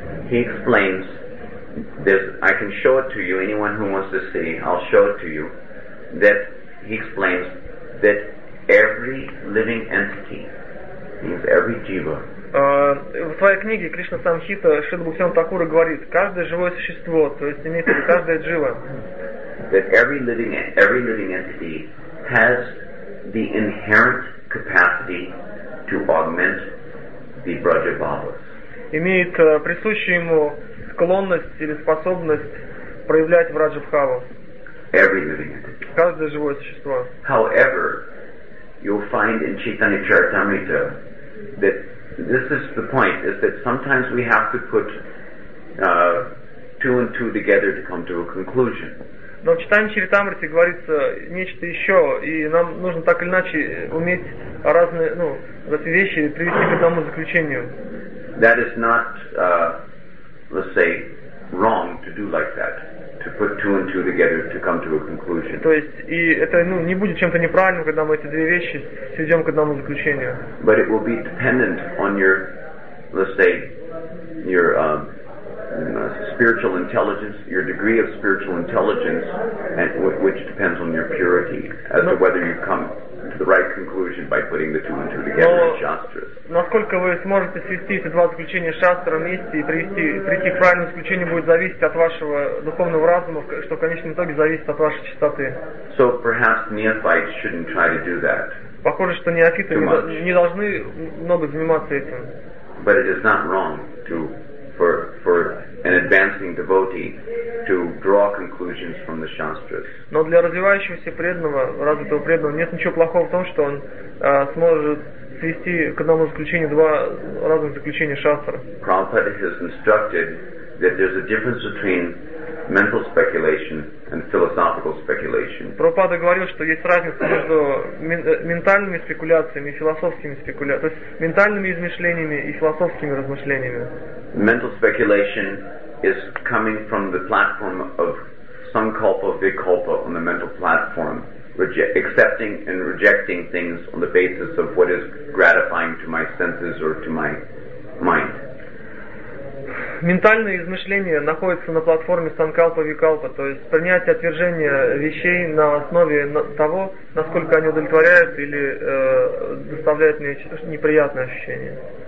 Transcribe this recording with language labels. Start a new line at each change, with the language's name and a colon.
English: He explains this, I can show it to you, anyone who wants to see, I'll show it to you, that he explains that every living entity, means every jiva.
Russian: В своей книге Кришна Самхита Шрила Бхактивинода Такура говорит, каждое живое существо, то есть имеется в виду каждая джива.
English: That every living entity has the inherent capacity to augment the braja bhavas.
Russian: Имеет присущую ему склонность или способность проявлять враджа бхаву.
English: Every living entity.
Russian: Каждое живое существо.
English: However, you'll find in Chaitanya Charitamrita that this is the point, is that sometimes we have to put two and two together to come to a conclusion.
Russian: Но в читании Чаритамриты говорится нечто еще, и нам нужно так или иначе уметь разные, ну, эти вещи привести к одному заключению.
English: That is not, let's say, wrong to do like that, to put two and two together to come to a conclusion.
Russian: То есть, и это, ну, не будет чем-то неправильным, когда мы эти две вещи сведем к одному заключению.
English: But it will be dependent on your, let's say, your spiritual intelligence, your degree of spiritual intelligence, and which depends on your purity, as to whether you come to the right conclusion by putting the two and two together in shastras.
Russian: Насколько вы сможете свести эти два заключения шастра вместе и прийти к правильному заключению будет зависеть от вашего духовного разума, что в конечном итоге зависит от вашей чистоты.
English: So perhaps neophytes shouldn't try to do that.
Russian: Похоже, что неофиты не должны много заниматься этим.
English: But it is not wrong to for an advancing devotee to draw conclusions from the shastras.
Russian: Но для развивающегося преданного, развитого преданного, нет ничего плохого в том, что он сможет свести к одному заключению два разных заключения шастр.
English: Prabhupada has instructed that there's a difference between mental speculation and philosophical speculation.
Russian: Прабхупада говорил, что есть разница между ментальными спекуляциями и философскими спекуляциями, то есть ментальными измышлениями и философскими размышлениями.
English: Mental speculation is coming from the platform of sankalpa vikalpa on the mental platform, accepting and rejecting things on the basis of what is gratifying to my senses or to my mind.
Russian: Ментальное измышление находится на платформе санкалпа-викалпа, то есть принятие отвержения вещей на основе того, насколько они удовлетворяют или доставляют мне неприятные ощущения.